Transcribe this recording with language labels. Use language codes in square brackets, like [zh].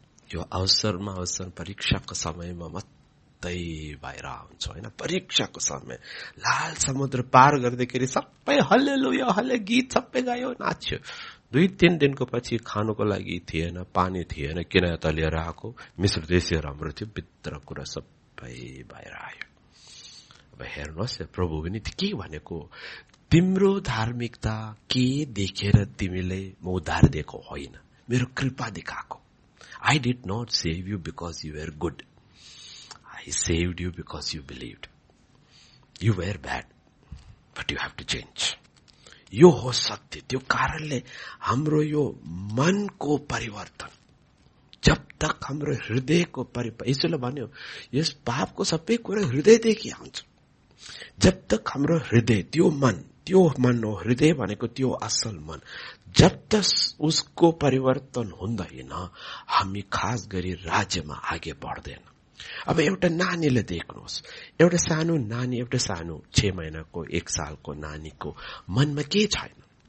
[ne] यो अवसरमा अवसर परीक्षाको समयमा मात्रै बाहिर आउँछ होइन परीक्षाको समय लाल समुद्र पार गर्दाखेरि सबै हल्लेलुया हल्ले गीत सबै गायो नाच्यो दुई तिन दिनको पछि खानुको लागि थिएन पानी थिएन किन त लिएर आएको मिश्र देशी राम्रो थियो भित्र कुरा सबै बाहिर आयो अब हेर्नुहोस् प्रभु पनि के भनेको तिम्रो धार्मिकता के देखेर तिमीले म उद्धार दिएको होइन मेरो कृपा देखाएको [en] I did not save you because you were good. I saved you because you believed. You were bad, but you have to change. [ne] यो हो सत्य त्यो कारणले हाम्रो यो मनको परिवर्तन जब तक हाम्रो हृदयको परिवर्तन यसले भन्यो यस पापको सबै कुरा हृदयदेखि आउँछ जब तक हाम्रो हृदय त्यो मन हो हृदय भनेको त्यो असल मन जब तक उसको परिवर्तन हुँदैन हामी खास गरी राज्यमा आगे बढ्दैन अब एउटा नानीले देख्नुहोस् एउटा सानो नानी एउटा सानो 6 महिनाको 1 सालको नानीको मनमा केही छैन